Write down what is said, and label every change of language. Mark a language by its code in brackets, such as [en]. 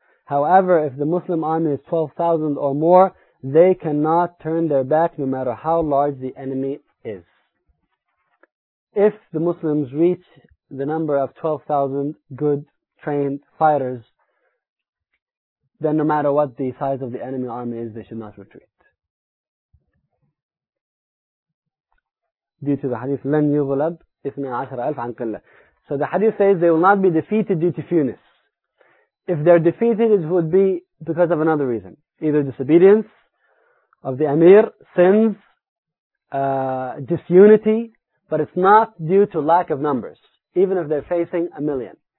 [en] However, if the Muslim army is 12,000 or more, they cannot turn their back no matter how large the enemy is. If the Muslims reach the number of 12,000 good trained fighters, then no matter what the size of the enemy army is, they should not retreat. Due to the hadith, [ar] لَنْ يُغْلَبْ إِثْنَا عَشْرَ أَلْفَ عَنْ قِلَّةِ. [en] So the hadith says they will not be defeated due to fewness. If they're defeated, it would be because of another reason. Either disobedience of the Amir, sins, disunity, but it's not due to lack of numbers, even if they're facing a million.